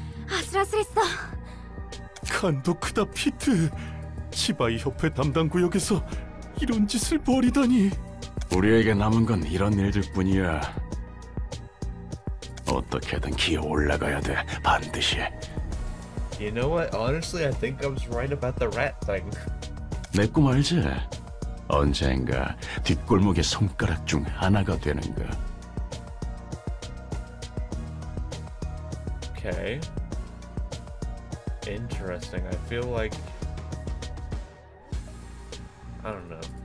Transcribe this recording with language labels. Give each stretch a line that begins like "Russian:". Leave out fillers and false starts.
Korean: 아슬아슬했어. 간도 크다 피트. 치바이 협회 담당 구역에서 이런 짓을 벌이다니. 우리에게 남은 건 이런 일들 뿐이야. 어떻게든 기어 올라가야 돼. 반드시.
English: You know what? Honestly, I think I was right about the rat thing.
Korean: 내 꿈 알지? 언젠가 뒷골목의 손가락 중 하나가 되는 거.
English: Okay. Interesting. I feel like I don't know.